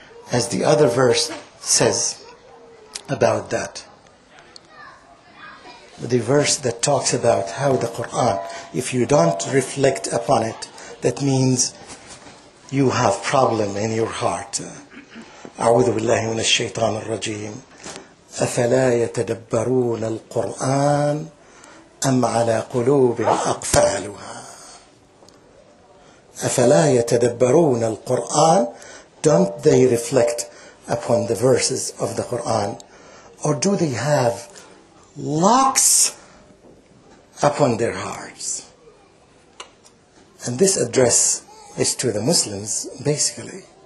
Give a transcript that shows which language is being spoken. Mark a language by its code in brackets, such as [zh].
[en] As the other verse says about that, the verse that talks about how the Quran, if you don't reflect upon it, that means you have problem in your heart. [ar] أعوذ بالله من الشيطان الرجيم أفلا يتدبرون القرآن أم على قلوب أقفالها. أفلا يتدبرون القرآن, [en] don't they reflect upon the verses of the Quran, or do they have locks upon their hearts? And this address is to the Muslims, basically.